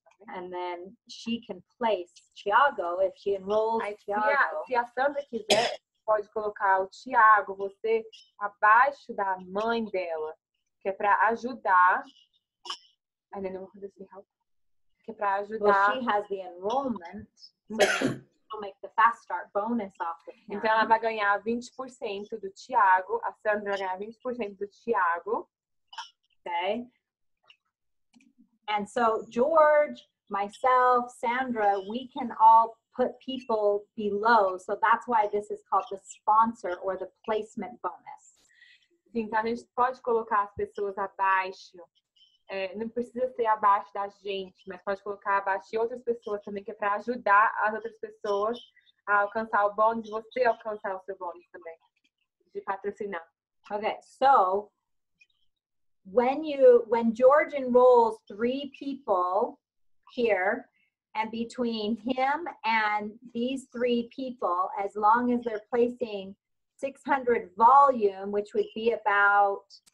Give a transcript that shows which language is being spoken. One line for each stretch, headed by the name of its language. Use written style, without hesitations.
English: And then she can place Tiago if she enrolls Tiago.
Portuguese: Se a Sandra quiser, pode colocar o Tiago, você, abaixo da mãe dela, que é para ajudar.
English: And then how does she help?
Portuguese: Que é para ajudar.
English: Well, she has the enrollment, so she'll make the fast start bonus off of him.
Portuguese: Então ela vai ganhar 20% do Tiago. A Sandra vai ganhar 20% do Tiago.
English: Okay. And so George, myself, Sandra, we can all put people below. So that's why this is called the sponsor or the placement bonus.
Portuguese: Sim, então a gente pode colocar as pessoas abaixo. Não precisa ser abaixo da gente, mas pode colocar abaixo de outras pessoas também, que é para ajudar as outras pessoas a alcançar o bônus, e você alcançar o seu bônus também, de patrocinar.
English: Okay, so... When George enrolls three people here, and between him and these three people, as long as they're placing 600 volume, which would be about